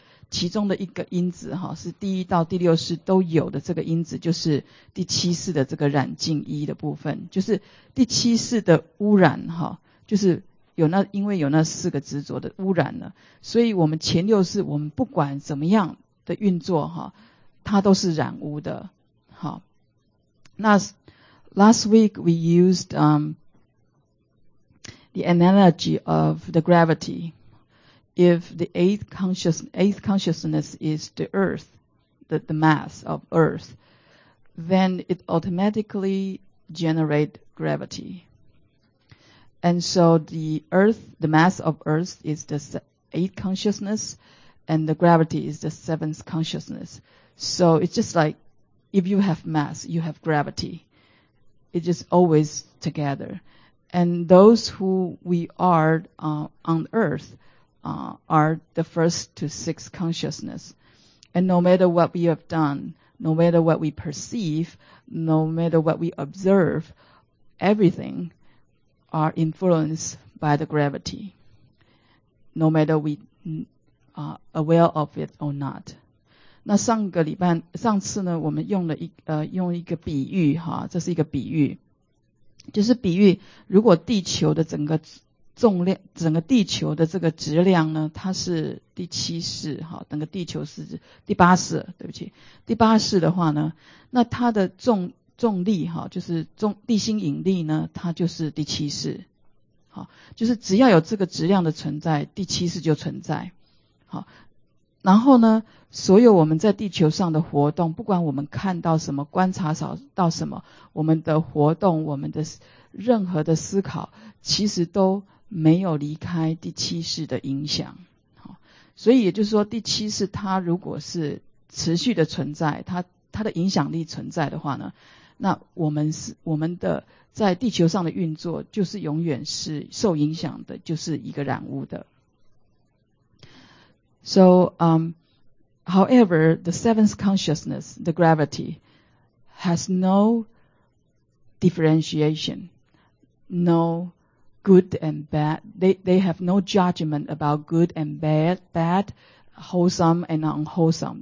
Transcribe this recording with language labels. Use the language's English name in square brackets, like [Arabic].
[Chinese] 其中的一个因子哈，是第一到第六识都有的这个因子，就是第七识的这个染净衣的部分，就是第七识的污染哈，就是有那因为有那四个执着的污染了，所以我们前六识我们不管怎么样的运作哈，它都是染污的。 [English] 好，那 last week we used the analogy of the gravity. If the eighth consciousness is the earth, the mass of earth, then it automatically generate gravity. And so the earth, the mass of earth is the eighth consciousness, and the gravity is the seventh consciousness. So it's just like, if you have mass, you have gravity. It's just always together. And those who we are on earth are the first to sixth consciousness. And no matter what we have done, no matter what we perceive, no matter what we observe, everythingare influenced by the gravity, no matter we are aware of it or not. [Chinese] 那上个礼拜上次呢我们用了用一个比喻哈，这是一个比喻，就是比喻如果地球的整个重量，整个地球的这个质量呢，它是第七识哈，整个地球是第八识，对不起，第八识的话呢，那它的重力哈，就是地心引力呢，它就是第七识，好，就是只要有这个质量的存在，第七识就存在，好，然后呢，所有我们在地球上的活动，不管我们看到什么、观察到什么，我们的活动、我们的任何的思考，其实都没有离开第七识的影响，好，所以也就是说，第七识它如果是持续的存在，它的影响力存在的话呢，那我们的在地球上的运作就是永远是受影响的，就是一个染污的。 [English] So however the seventh consciousness, the gravity, has no differentiation, no good and bad. They have no judgment about good and bad, wholesome and unwholesome.